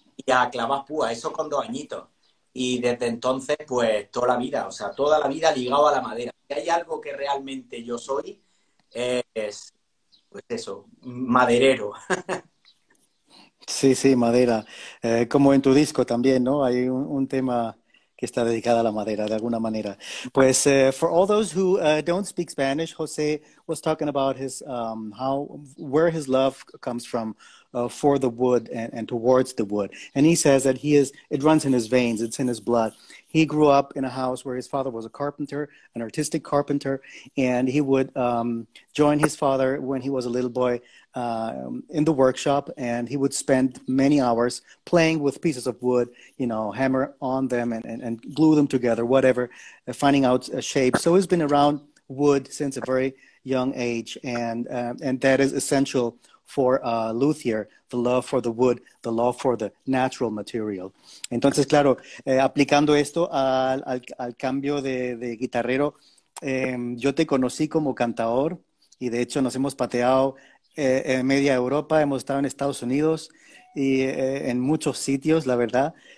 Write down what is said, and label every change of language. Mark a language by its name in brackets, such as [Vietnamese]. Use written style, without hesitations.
[Spanish] Y a clavar púa, eso con 2 añitos. Y desde entonces, pues toda la vida, o sea, toda la vida ligado a la madera. Si hay algo que realmente yo soy, es pues eso, maderero. Sí, madera. Como en tu disco también, ¿no? Hay un tema que está dedicado a la madera, de alguna manera. [English] Pues, for all those who don't speak Spanish, José was talking about his where his love comes from for the wood and towards the wood. And he says that it runs in his veins, it's in his blood. He grew up in a house where his father was a carpenter, an artistic carpenter, and he would join his father when he was a little boy in the workshop, and he would spend many hours playing with pieces of wood, you know, hammer on them and glue them together, whatever, finding out a shape. So he's been around wood since a very young age, and that is essential for luthier, the love for the wood, the love for the natural material. [Spanish] Entonces, claro, aplicando esto al cambio de guitarrero, yo te conocí como cantaor y de hecho nos hemos pateado en media Europa, hemos estado en Estados Unidos y en muchos sitios, la verdad.